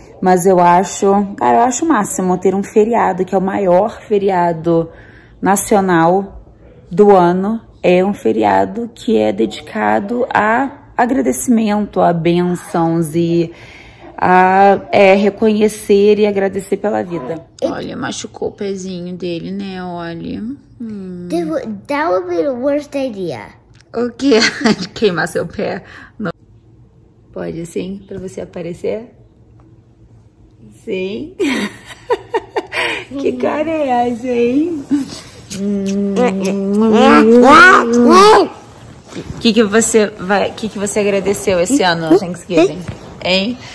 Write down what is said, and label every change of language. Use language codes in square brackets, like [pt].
[pt] Mas eu acho, cara, eu acho o máximo ter um feriado, que é o maior feriado nacional do ano. É um feriado que é dedicado a agradecimento, a bênçãos e a reconhecer e agradecer pela vida. Olha, machucou o pezinho dele, né? Olha. [en] That would be the worst idea. [pt] O quê? Queimar seu pé? Não. Pode sim, pra você aparecer? Sim. Que cara é essa, hein? Que você agradeceu esse ano no Thanksgiving? Hein?